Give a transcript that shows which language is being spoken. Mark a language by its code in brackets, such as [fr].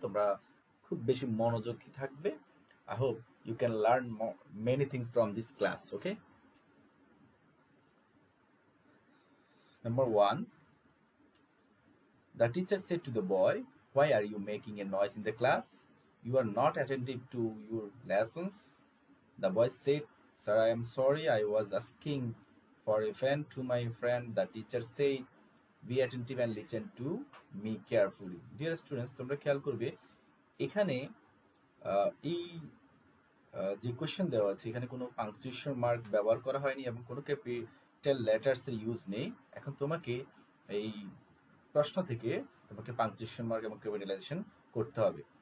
[bn] তোমরা খুব বেশি মনোযোগী থাকবে। [en] I hope you can learn many things from this class. Okay, number one, the teacher said to the boy, why are you making a noise in the class, you are not attentive to your lessons. The boy said, sir I am sorry, I was asking for a friend to my friend, the teacher say be attentive and listen to me carefully. Dear students, [bn] তোমরা খেয়াল করবে এখানে এই যে question দেওয়া আছে এখানে কোনো পাংচুয়েশন মার্ক ব্যবহার করা হয়নি এবং কোনো ক্যাপিটাল লেটার্স এর ইউজ নেই। এখন তোমাকে এই প্রশ্ন থেকে তোমাকে পাংচুয়েশন মার্ক এবং ক্যাপিটালাইজেশন করতে হবে।